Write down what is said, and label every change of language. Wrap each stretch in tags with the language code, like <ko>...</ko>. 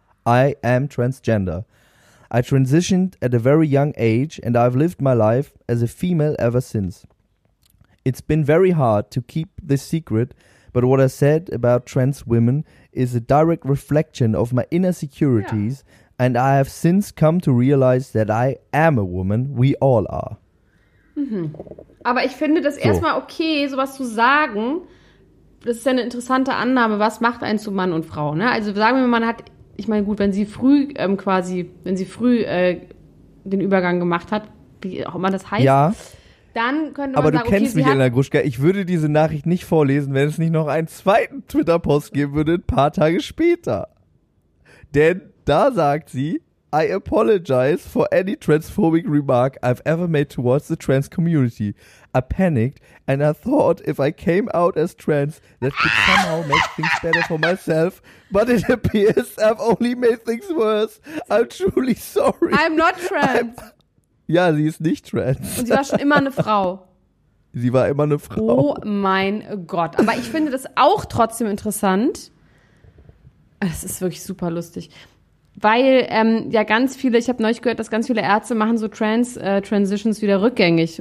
<en>I am transgender. I transitioned at a very young age and I've lived my life as a female ever since. It's been very hard to keep this secret, but what I said about trans women is a direct reflection of my inner securities, yeah. And I have since come to realize that I am a woman. We all are. Mhm.</en> <de>Aber ich finde das erstmal okay, sowas zu sagen. Das ist ja eine interessante Annahme. Was macht einen zu Mann und Frau? Ne? Also sagen wir mal, man hat, ich meine, gut, wenn sie früh den Übergang gemacht hat, wie auch immer das heißt. Ja. Dann könnte man aber sagen, du kennst okay, mich, Elena Gruschka, ich würde diese Nachricht nicht vorlesen, wenn es nicht noch einen zweiten Twitter-Post geben würde, ein paar Tage später. Denn da sagt sie,</de> <en>I apologize for any transphobic remark I've ever made towards the trans community. I panicked and I thought if I came out as trans, that could somehow make things better for myself. But it appears I've only made things worse. I'm truly sorry. I'm not trans.</en> <de>Ja, sie ist nicht trans. Und sie war schon immer eine Frau. Sie war immer eine Frau. Oh mein Gott. Aber ich finde das auch trotzdem interessant. Das ist wirklich super lustig. Weil ganz viele, ich habe neulich gehört, dass ganz viele Ärzte machen so Trans-Transitions wieder rückgängig.</de>